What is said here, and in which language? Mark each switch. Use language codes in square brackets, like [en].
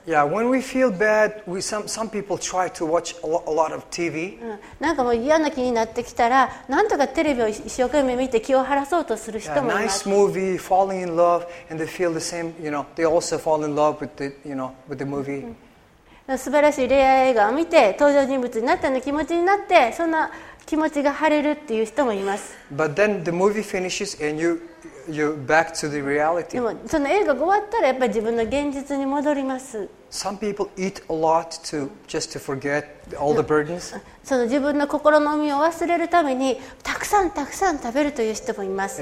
[en] Yeah, when we feel bad, some people try to watch a lot of TV. [ja] なんかもう嫌な気になってきたら、なんとかテレビを一生懸命見て気を晴らそうとする人もいます。 [en] Yeah, nice movie, falling in love, and they feel the same. You know, they also fall in love with the, you know, with the movie. [ja] 素晴らしい恋愛映画を見て登場人物になったような気持ちになって、そんな気持ちが晴れるっていう人もいます。 [en] But then the movie finishes and you. You're back to the reality. [ja] でもその映画が終わったらやっぱり自分の現実に戻ります。 [en] Some people eat a lot to just to forget all the burdens. [ja] その自分の心の重みを忘れるためにたくさんたくさん食べるという人もいます。